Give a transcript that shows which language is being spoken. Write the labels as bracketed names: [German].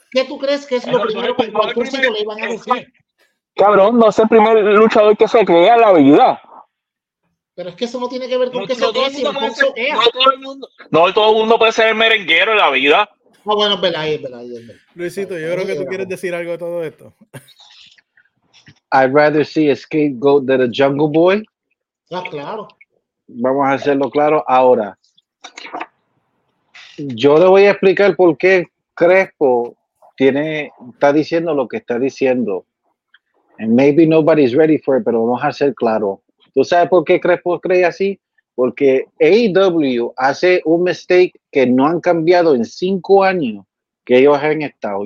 [Spanish] ¿Qué tú crees que es lo primero que al público le iban a decir? Cabrón, no es el primer luchador que se crea la vida. Pero es que eso no tiene que ver con todo el mundo puede ser el merenguero en la vida. No, bueno, es verdad. Luisito, yo creo que tú quieres decir algo de todo esto. [English] I'd rather see a scapegoat than a jungle boy. [Spanish] Ah, claro. Vamos a hacerlo claro ahora. Yo le voy a explicar por qué Crespo está diciendo lo que está diciendo. [English] And maybe nobody's ready for it, [Spanish] pero vamos a ser claro. ¿Tú sabes por qué Crespo cree así? Porque AEW hace un mistake que no han cambiado en 5 años que ellos han estado.